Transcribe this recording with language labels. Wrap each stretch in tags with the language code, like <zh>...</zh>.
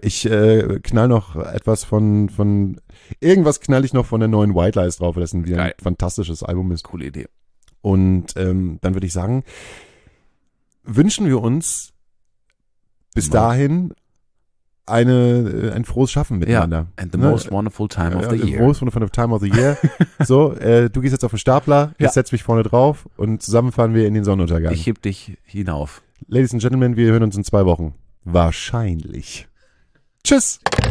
<de>Ich knall noch etwas von irgendwas knall ich noch von der neuen White Lies drauf. Das ist wieder ein fantastisches Album. Ist. Coole Idee. Und dann würde ich sagen, wünschen wir uns bis dahin ein frohes Schaffen miteinander.</de> <en>Ja, and the most wonderful time of the year. The most wonderful time of the year.</en> <de>So, du gehst jetzt auf den Stapler, ich setz mich vorne drauf und zusammen fahren wir in den Sonnenuntergang. Ich heb dich hinauf.</de> <en>Ladies and Gentlemen,</en> <de>wir hören uns in 2 Wochen. Wahrscheinlich. Tschüss!</de>